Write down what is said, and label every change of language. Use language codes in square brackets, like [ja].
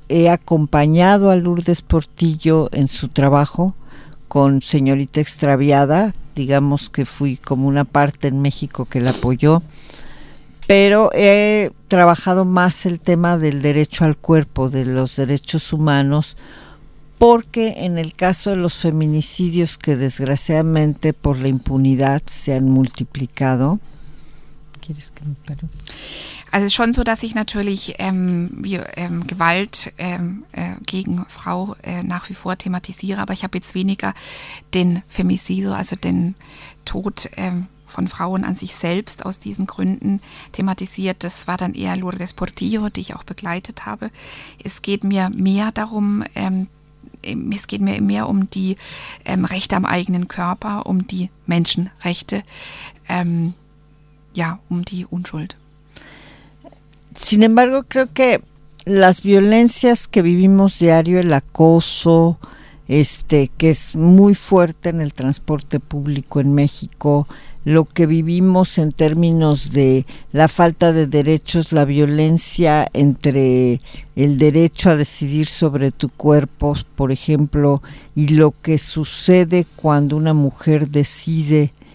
[es] He acompañado a Lourdes Portillo en su trabajo con Señorita Extraviada, digamos que fui como una parte en México que la apoyó, pero he trabajado más el tema del derecho al cuerpo, de los derechos humanos, porque en el caso de los feminicidios, que desgraciadamente por la impunidad se han multiplicado, [de] also es ist schon so, dass ich natürlich Gewalt gegen Frau nach wie vor thematisiere, aber ich habe jetzt weniger den Femicido, also den Tod von Frauen an sich selbst aus diesen Gründen thematisiert. Das war dann eher Lourdes Portillo, die ich auch begleitet habe. Es geht mir mehr darum, es geht mir mehr um die Rechte am eigenen Körper, um die Menschenrechte, um die Unschuld. [es] Sin embargo, creo que las violencias que vivimos diario, el acoso, que es muy fuerte en el transporte público en México, lo que vivimos en términos de la falta de derechos, la violencia entre el derecho a decidir sobre tu cuerpo, por ejemplo, y lo que sucede cuando una mujer decide